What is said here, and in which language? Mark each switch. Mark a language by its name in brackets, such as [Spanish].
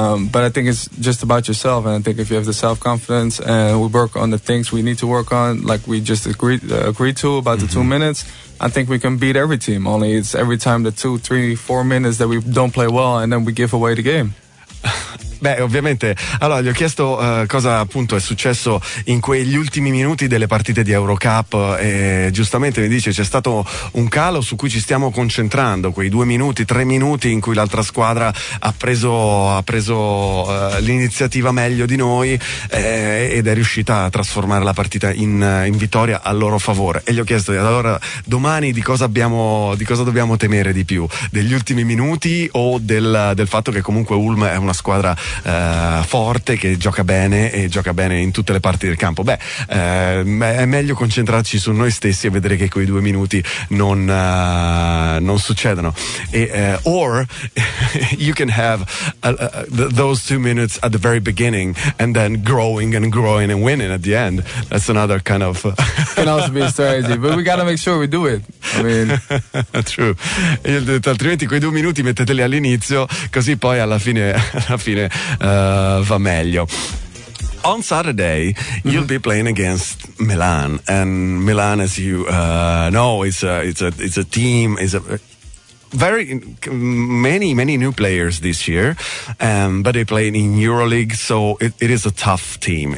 [English] But I think it's just about yourself. And I think if you have the self-confidence and we work on the things we need to work on, like we just agreed to about the 2 minutes, I think we can beat every team. Only it's every time the 2, 3, 4 minutes that we don't play well and then we give away the game. [Italian] Beh, ovviamente. Allora, gli ho chiesto cosa appunto è successo in quegli ultimi minuti delle partite di Eurocup e giustamente mi dice c'è stato un calo su cui ci stiamo concentrando, quei 2 minuti, 3 minuti in cui l'altra squadra ha preso l'iniziativa meglio di noi ed è riuscita a trasformare la partita in vittoria a loro favore. E gli ho chiesto, allora, domani di cosa dobbiamo temere di più? Degli ultimi minuti o del fatto che comunque Ulm è una squadra forte, che gioca bene e gioca bene in tutte le parti del campo? Beh, è meglio concentrarci su noi stessi e vedere che quei 2 minuti non succedano. [English] Or you can have those 2 minutes at the very beginning and then growing and growing and winning at the end. That's another kind of can also be a strategy, but we gotta make sure we do it. I mean, true. [Italian] Altrimenti quei 2 minuti metteteli all'inizio, così poi alla fine va meglio. [English] On Saturday, you'll be playing against Milan, and Milan, as you know, it's a team, is a very many new players this year, but they play in EuroLeague, so it is a tough team.